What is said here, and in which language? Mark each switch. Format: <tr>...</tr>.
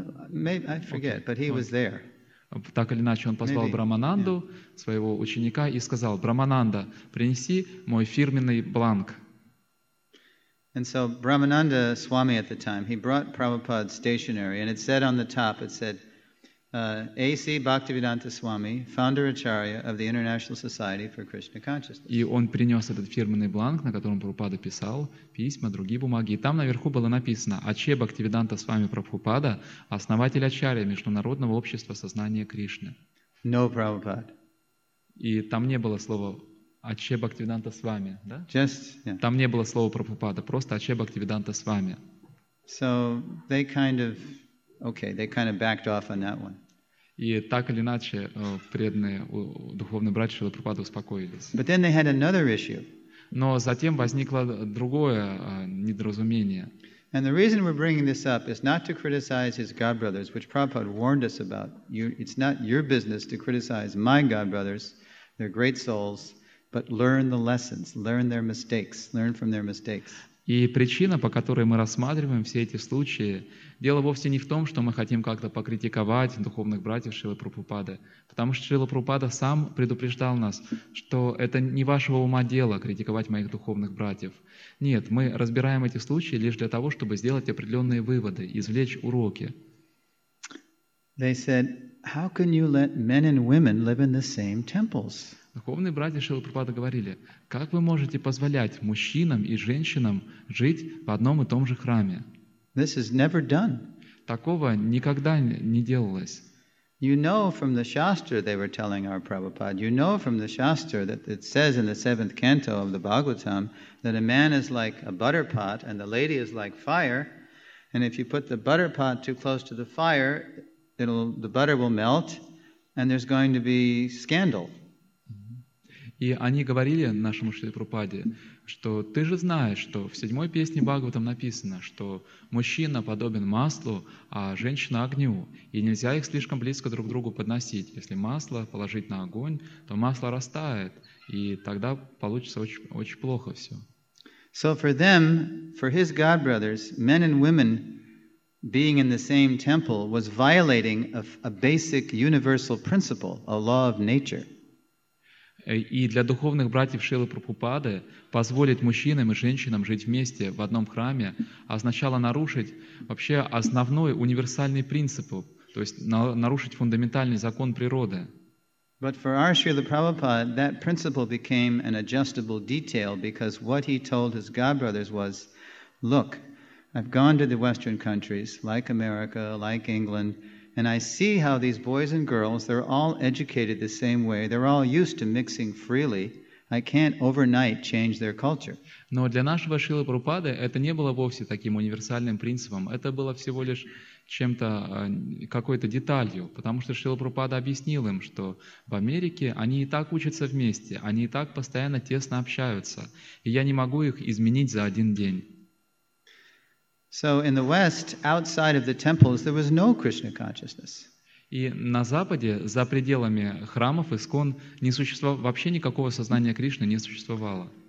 <en>Maybe, I forget, okay. But he was there.</en> <ru>Так или иначе, он позвал Брамананду, своего ученика, и сказал, Брамананда, принеси мой фирменный бланк.</ru> <en>And so Brahmananda Swami at the time, he brought Prabhupada's stationery, and it said on the top, it said, A.C. Bhaktivedanta Swami, founder Acharya of the International Society for Krishna Consciousness.</en> <ru>И он принес этот фирменный бланк, на котором Прабхупада писал письма, другие бумаги. И там наверху было написано, Ачхе Бхактивиданта Свами Прабхупада, основатель Ачарья Международного общества сознания Кришны.</ru> <en>No, Prabhupada.</en> <ru>И там не было слова Ачхе Бхактивиданта Свами, да?</ru> <en>Just, yeah.</en> <ru>Там не было слова Прабхупада, просто Ачхе Бхактивиданта Свами.</ru> <en>So they kind of, okay, they kind of backed off on that one.</en> <ru>И так или иначе преданные духовные братья Шрилы Прабхупады успокоились.</ru> <en>But then they had another issue.</en> <ru>Но затем возникло другое недоразумение.</ru> <en>And the reason we're bringing this up is not to criticize his godbrothers, which Prabhupada warned us about. It's not your business to criticize my godbrothers. They're great souls. But learn the lessons, learn their mistakes, learn from their mistakes.</en> <ru>И причина, по которой мы рассматриваем все эти случаи, дело вовсе не в том, что мы хотим как-то покритиковать духовных братьев Шрилы Прабхупады, потому что Шрила Прабхупада сам предупреждал нас, что это не вашего ума дело критиковать моих духовных братьев. Нет, мы разбираем эти случаи лишь для того, чтобы сделать определенные выводы, извлечь уроки.</ru> <en>They said, how can you let men and women live in the same temples?</en> <ru>Духовные братья Шрилы Прабхупады говорили, как вы можете позволять мужчинам и женщинам жить в одном и том же храме?</ru> <en>This is never done.</en> <ru>Такого никогда не делалось.</ru> <en>You know from the Shastra they were telling our Prabhupada, you know from the Shastra that it says in the seventh canto of the Bhagavatam that a man is like a butter pot and the lady is like fire, and if you put the butter pot too close to the fire, the butter will melt and there's going to be scandal.</en> <ru>И они говорили нашему Шриле Прабхупаде, что ты же знаешь, что в седьмой песне Бхагаватам написано, что мужчина подобен маслу, а женщина огню, и нельзя их слишком близко друг к другу подносить. Если масло положить на огонь, то масло растает, и тогда получится очень, очень плохо все.</ru> <en>So for them, for his godbrothers, men and women being in the same temple was violating a basic universal principle, a law of nature.</en> <ru>И для духовных братьев Шрилы Прабхупады позволить мужчинам и женщинам жить вместе в одном храме означало нарушить вообще основной универсальный принцип, то есть нарушить фундаментальный закон природы.</ru> <en>But for our Srila Prabhupada, that principle became an adjustable detail because what he told his godbrothers was, look, I've gone to the Western countries, like America, like England, and I see how these boys and girls, they're all educated the same way. They're all used to mixing freely. I can't overnight change their culture.</en> <ru>Но для нашего Шрилы Прабхупады это не было вовсе таким универсальным принципом. Это было всего лишь чем-то, какой-то деталью. Потому что Шрила Прабхупада объяснил им, что в Америке они и так учатся вместе, они и так постоянно тесно общаются. И я не могу их изменить за один день.</ru> <en>So in the West, outside of the temples, there was no Krishna consciousness.</en> <ru>И на Западе, за пределами храмов, искон, не существовало, вообще никакого сознания Кришны не существовало.</ru>